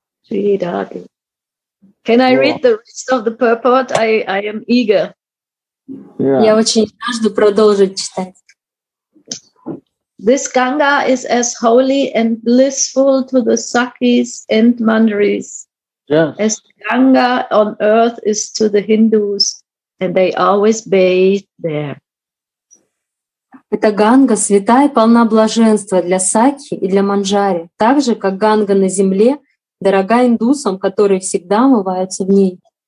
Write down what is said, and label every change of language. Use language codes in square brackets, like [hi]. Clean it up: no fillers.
[en] Can I read the rest of the purport? I am eager. [ru] Я очень жажду продолжить читать. [en] This Ganga is as holy and blissful to the Sakis and Mandaris as the Ganga on earth is to the Hindus, and they always bathe there. [ru] Эта Ганга святая и полна блаженства для Сакхи и для Манджари, так же, как Ганга на земле дорога индусам, которые всегда умываются в ней.